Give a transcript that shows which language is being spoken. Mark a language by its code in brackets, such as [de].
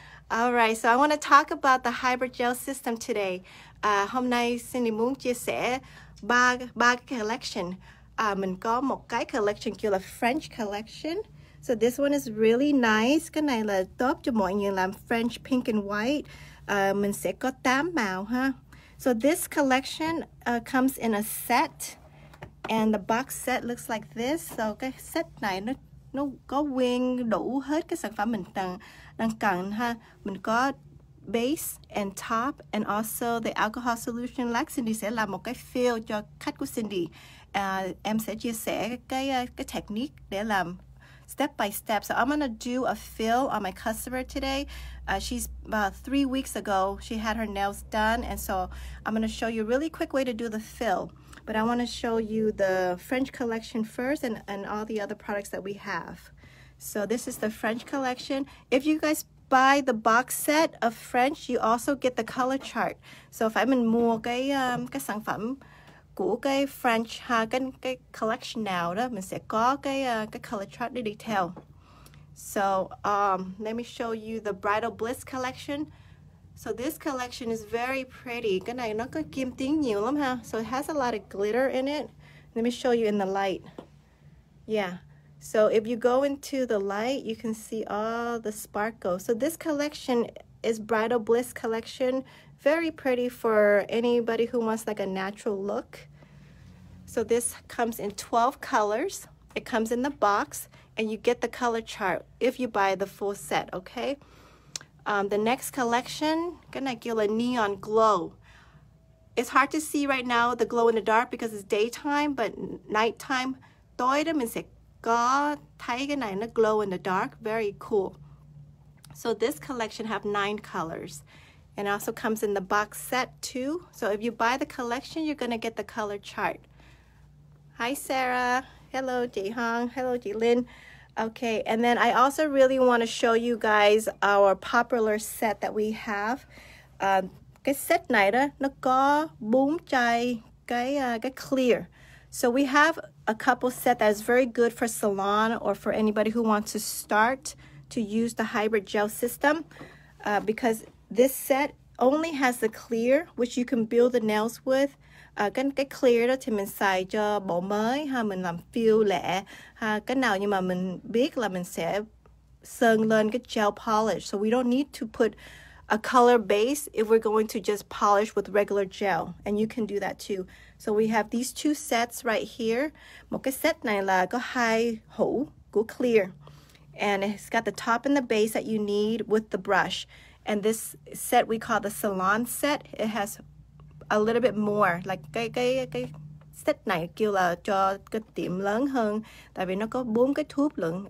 [en] All right, so I want to talk about the hydrogel system today. [vi] Hôm nay Cindy muốn chia sẻ ba cái collection. Mình có một cái collection kêu là French collection. [en] So this one is really nice. [vi] Cái này là top cho mọi người làm French [en] pink and white. [vi] Mình sẽ có 8 màu ha. [en] So this collection comes in a set and the box set looks like this. [vi] So cái set này nó có nguyên đủ hết cái sản phẩm mình đang cần ha. Mình có [en] base and top and also the alcohol solution. [vi] Like Cindy sẽ làm một cái feel cho khách của Cindy. Em sẽ chia sẻ cái technique để làm [en] step by step. So I'm gonna do a fill on my customer today. She's about 3 weeks ago, she had her nails done. And so I'm gonna show you a really quick way to do the fill. But I wanna show you the French collection first and all the other products that we have. So this is the French collection. If you guys buy the box set of French, you also get the color chart. So if I'm in [vi] mua cái sản phẩm của cái French ha, cái collection nào đó, mình sẽ có cái color chart để detail. [en] So let me show you the Bridal Bliss collection. So this collection is very pretty. [vi] Cái này nó có kim tiếng nhiều lắm ha. [en] So it has a lot of glitter in it. Let me show you in the light. Yeah. So if you go into the light, you can see all the sparkle. So this collection is Bridal Bliss collection. Very pretty for anybody who wants like a natural look. So this comes in 12 colors. It comes in the box and you get the color chart if you buy the full set, okay? The next collection, gonna give you a neon glow. It's hard to see right now the glow in the dark because it's daytime, but nighttime, [vi] tối đêm mình sẽ có thấy cái này nó [en] glow in the dark, very cool. So this collection have 9 colors. And also comes in the box set too. So if you buy the collection, you're gonna get the color chart. Hi Sarah. Hello Jay Hong. Hello Jay Lin. Okay, and then I also really wanna show you guys our popular set that we have. [vi] Cái set này đó, nó có bốn chai cái clear. [en] So we have a couple set that is very good for salon or for anybody who wants to start to use the hybrid gel system because this set only has the clear, which you can build the nails with. [vi] Cái clear đó thì mình xài cho bộ mới, ha, mình làm feel lẻ. Ha, cái nào nhưng mà mình biết là mình sẽ sơn lên cái gel polish. [en] So we don't need to put a color base if we're going to just polish with regular gel. And you can do that too. So we have these two sets right here. [vi] Một cái set này là có hai hũ, của clear. [en] And it's got the top and the base that you need with the brush. And this set we call the salon set. It has a little bit more. [vi] Like cái set này kêu là cho cái tiệm lớn hơn. Tại vì nó có bốn cái thuốc lớn.